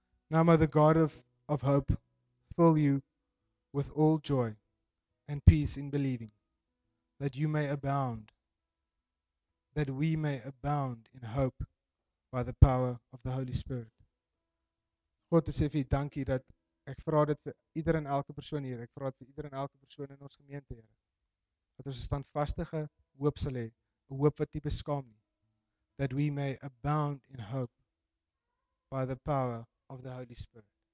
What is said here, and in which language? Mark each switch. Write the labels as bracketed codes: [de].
[en] Now may the God of hope fill you with all joy and peace in believing, that you may abound, that we may abound in hope by the power of the Holy Spirit. [af] God, ek sê vir dankie dat ek vra dit vir ieder en elke persoon hier. Ek vra dit vir ieder en elke persoon in ons gemeente, Here. Dat ons 'n standvastige hoop sal hê, 'n hoop wat nie beskaam nie. [en] That we may abound in hope by the power of the Holy Spirit.